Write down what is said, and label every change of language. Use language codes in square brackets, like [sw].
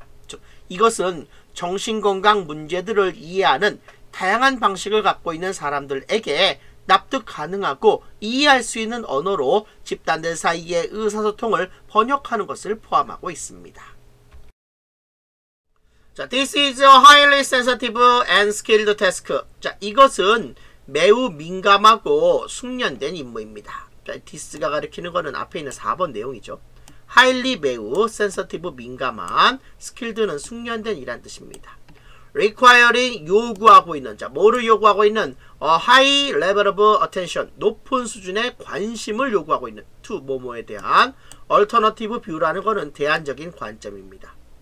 [ko] 즉, 이것은 정신건강 문제들을 이해하는 다양한 방식을 갖고 있는 사람들에게 납득 가능하고 이해할 수 있는 언어로 집단들 사이의 의사소통을 번역하는 것을 포함하고 있습니다. [en] 자, this is a highly sensitive and skilled task. [ko] 자, 이것은 매우 민감하고 숙련된 임무입니다. 자, this가 가리키는 거는 앞에 있는 4번 내용이죠. highly, 매우, sensitive, 민감한, skilled는 숙련된 이란 뜻입니다. requiring, 요구하고 있는, 자, 뭐를 요구하고 있는, [en] high level of attention, [ko] 높은 수준의 관심을 요구하고 있는, to, 뭐뭐에 대한, [en] alternative view [ko] 라는 거는 대안적인 관점입니다.